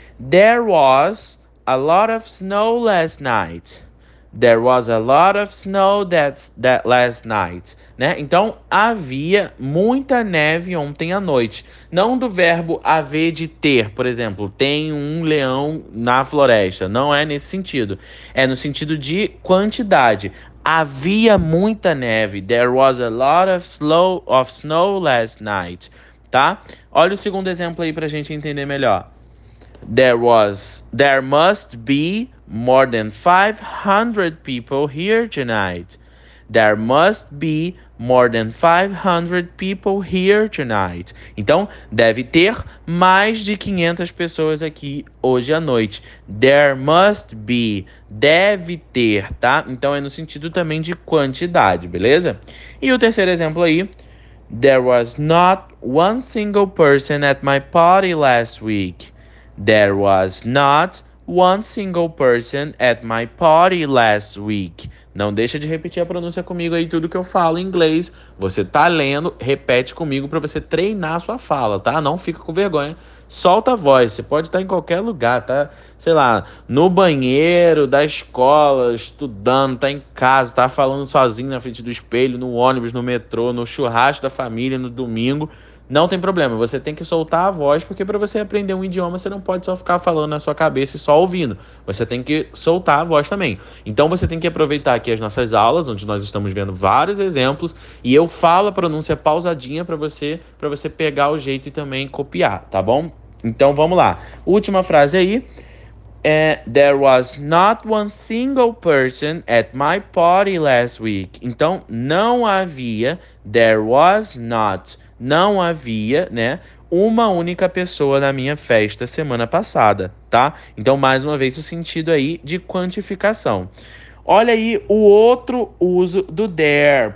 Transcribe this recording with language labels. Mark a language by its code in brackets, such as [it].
[en] There was a lot of snow last night. There was a lot of snow that last night, né? [pt] Então, havia muita neve ontem à noite. Não do verbo haver de ter, por exemplo, tem um leão na floresta. Não é nesse sentido. É no sentido de quantidade. Havia muita neve. [en] There was a lot of snow last night. tá? [pt] Olha o segundo exemplo aí para a gente entender melhor. [en] There must be more than 500 people here tonight. There must be more than 500 people here tonight. [pt] Então, deve ter mais de 500 pessoas aqui hoje à noite. [en] There must be. [pt] Deve ter, tá? Então, é no sentido também de quantidade, beleza? E o terceiro exemplo aí. [en] There was not one single person at my party last week. There was not one single person at my party last week. [pt] Não deixa de repetir a pronúncia comigo aí, tudo que eu falo em inglês. Você tá lendo, repete comigo para você treinar a sua fala, tá? Não fica com vergonha. Solta a voz. Você pode estar em qualquer lugar, tá? Sei lá, no banheiro, da escola, estudando, tá em casa, tá falando sozinho na frente do espelho, no ônibus, no metrô, no churrasco da família, no domingo. Não tem problema, você tem que soltar a voz, porque para você aprender um idioma, você não pode só ficar falando na sua cabeça e só ouvindo. Você tem que soltar a voz também. Então você tem que aproveitar aqui as nossas aulas, onde nós estamos vendo vários exemplos, e eu falo a pronúncia pausadinha para você pegar o jeito e também copiar, tá bom? Então vamos lá. Última frase aí. [en] There was not one single person at my party last week. [pt] Então não havia, [en] there was not. [pt] Não havia, né, uma única pessoa na minha festa semana passada, tá? Então, mais uma vez, o sentido aí de quantificação. Olha aí o outro uso do there.